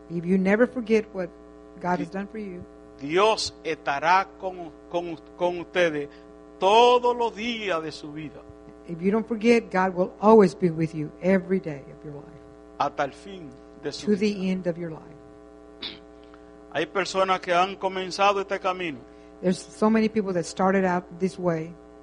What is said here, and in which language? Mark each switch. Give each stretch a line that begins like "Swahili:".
English: If you never forget what God has done for you.
Spanish: Dios estará con ustedes todos los días de su vida.
English: If you don't forget, God will always be with you every day of your life.
Spanish: Hasta el fin de su
English: to
Spanish: vida.
English: To the end of your life.
Spanish: Hay personas que han comenzado este camino.
English: There's so many people that started out this way.